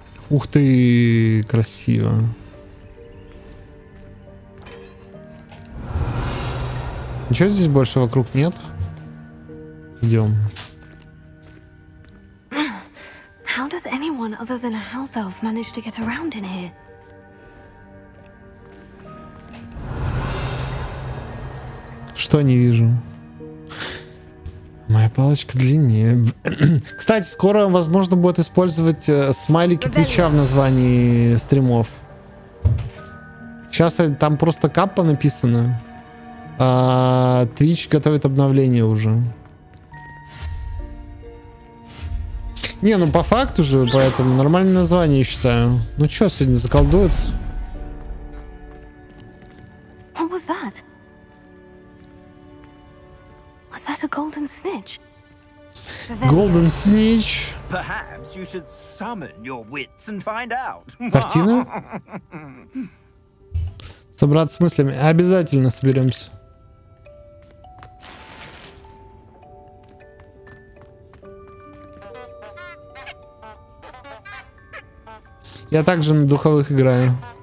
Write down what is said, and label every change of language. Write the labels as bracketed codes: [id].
[ru] Ух ты, красиво. Ничего здесь больше вокруг нет? Идем. [en] How does anyone other than a house elf manage to get around in here? [ru] Что не вижу? Моя палочка длиннее. Кстати, скоро возможно будет использовать смайлики Твича в названии стримов. Сейчас там просто каппа написано. А Твич готовит обновление уже. Не, ну по факту же, поэтому нормальное название, я считаю. Ну чё, сегодня заколдуется? [en] What was that? Was that a golden snitch? Golden snitch? Perhaps you should summon your wits and find out. [ru] Картина? Собраться с мыслями. Обязательно соберемся. Я также на духовых играю.